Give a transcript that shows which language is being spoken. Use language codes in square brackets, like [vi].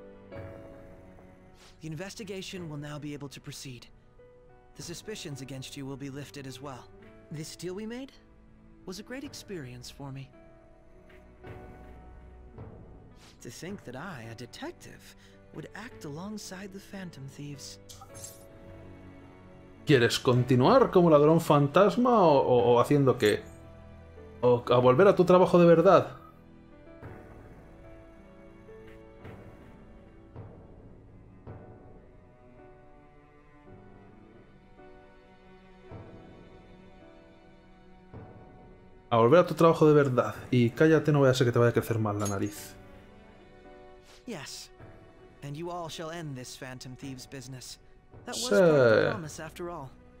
[en] The investigation will now be able to proceed. The suspicions against you will be lifted as well. This deal we made was a great experience for me. To think that I, a detective, would act alongside the Phantom Thieves. [es] ¿Quieres continuar como ladrón fantasma o haciendo qué? ¿O a volver a tu trabajo de verdad? A volver a tu trabajo de verdad. Y cállate, no vaya a ser que te vaya a crecer mal la nariz. [en] Yes. And you all shall end this Phantom Thieves business. That was part of the promise, after all.